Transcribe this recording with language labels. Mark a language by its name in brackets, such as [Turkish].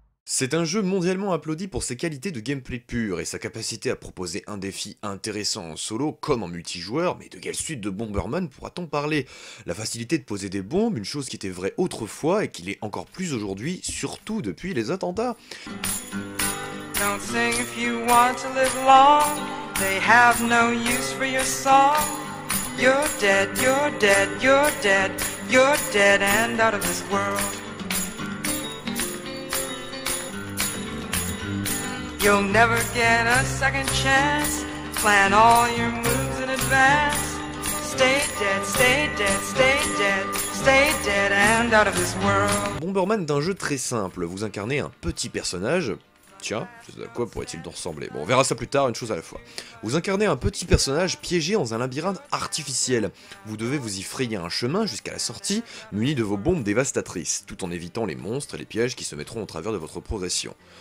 [French] C'est un jeu mondialement applaudi pour ses qualités de gameplay pur et sa capacité à proposer un défi intéressant en solo comme en multijoueur, mais de quelle suite de Bomberman pourra-t-on parler? La facilité de poser des bombes, une chose qui était vraie autrefois et qui l'est encore plus aujourd'hui, surtout depuis les attentats. [English] Don't sing if you want to live long, they have no use for your song. You're dead, you're dead, you're dead, you're dead and out of this world. You'll never get a second chance. Plan all your moves in advance. Stay dead, stay dead, stay dead. Stay dead and out of this world. [French] Bomberman d'un jeu très simple. Vous incarnez un petit personnage. Tiens, à quoi pourrait-il donc ressembler? Bon, on verra ça plus tard, une chose à la fois. Vous incarnez un petit personnage piégé dans un labyrinthe artificiel. Vous devez vous y frayer un chemin jusqu'à la sortie, muni de vos bombes dévastatrices, tout en évitant les monstres et les pièges qui se mettront au travers de votre progression.